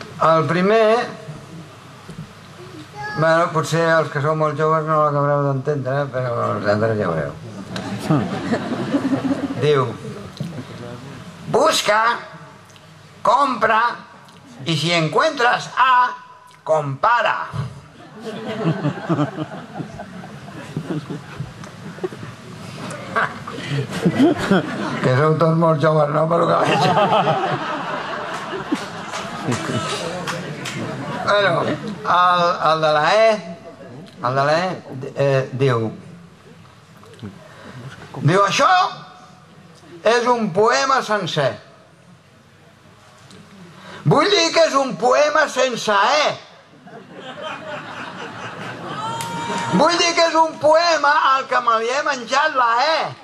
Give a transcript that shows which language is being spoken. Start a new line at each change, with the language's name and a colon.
Catalan: El primer... Bueno, potser els que sou molt joves no l'acabareu d'entendre, però els altres ja veureu. Diu...
Spanish: Busca, compra, y si encuentras A, compara.
Catalan: Que sou tots molt joves, no? Però que veig. Bueno, el de la E, el de la E, diu... Diu, això és un poema sencer. Vull dir que és un poema sense E. Vull dir que és un poema al que me li he menjat la E.